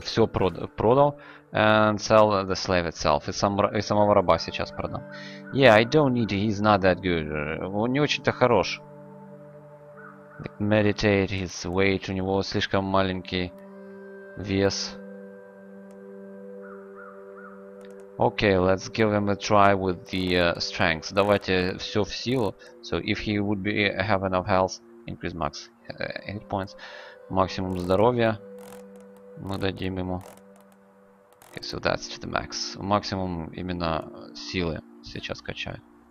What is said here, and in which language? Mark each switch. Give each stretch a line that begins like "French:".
Russian: Все продал.
English: And sell the slave itself.
Russian: И самого раба сейчас продам.
English: Yeah, I don't need it. He's not that good.
Russian: Он не очень-то хорош.
English: Like meditate his weight.
Russian: У него слишком маленький вес.
English: Okay, let's give him a try with the strength.
Russian: Давайте все в силу.
English: So if he would be have enough health, increase max. Hit points.
Russian: Максимум здоровья мы дадим ему.
English: Okay, so that's to the max.
Russian: Максимум именно силы сейчас качает.